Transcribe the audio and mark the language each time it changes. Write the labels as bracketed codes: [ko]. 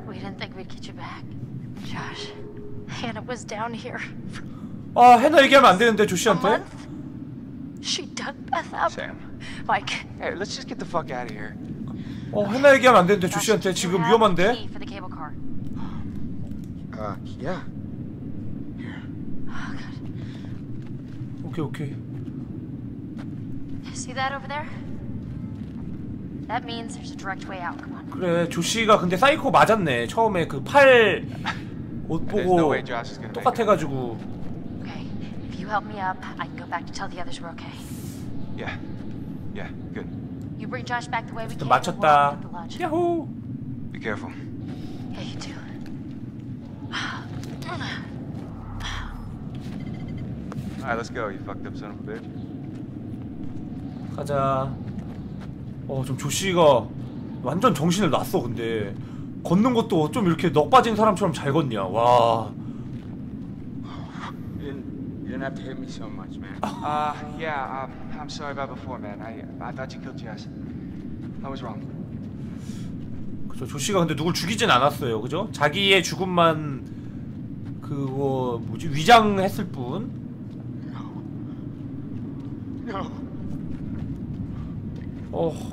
[en] We didn't think we'd get you back, Josh. Hannah was down here. [ko] 아, 헤나 얘기하면 안 되는데 조시한테. [en] She dug Beth up. Sam. Mike. Hey, let's just get the fuck out of here. [ko] 어, 헤나 얘기하면 안 되는데 조시한테 지금 위험한데. [en] Yeah. Here. Oh god. [ko] 오케이. [en] See that over there? That means there's a direct way out. Come on. [ko] 그래, 조시가 근데 사이코 맞았네. 처음에 그 팔 옷 보고 똑같아가지고. [en] Okay, if you help me up, I can go back to tell the others we're okay. Yeah, yeah, good. You bring Josh back the way we came. [ko] 맞췄다. 야호. [en] Be careful. Yeah, you too. 아, let's go. You fucked up, son of a bitch. [ko] 가자. 어, 좀 조시가 완전 정신을 놨어, 근데. 걷는 것도 좀 이렇게 넋 빠진 사람처럼 잘 걷냐. 와. [en] You didn't have to hit me so much, man. I'm sorry about before, man. I thought you killed Jess. I was wrong. [ko] 그죠. 조시가 근데 누굴 죽이진 않았어요. 그죠? 자기의 죽음만 그거 뭐지? 위장했을 뿐. [en] No.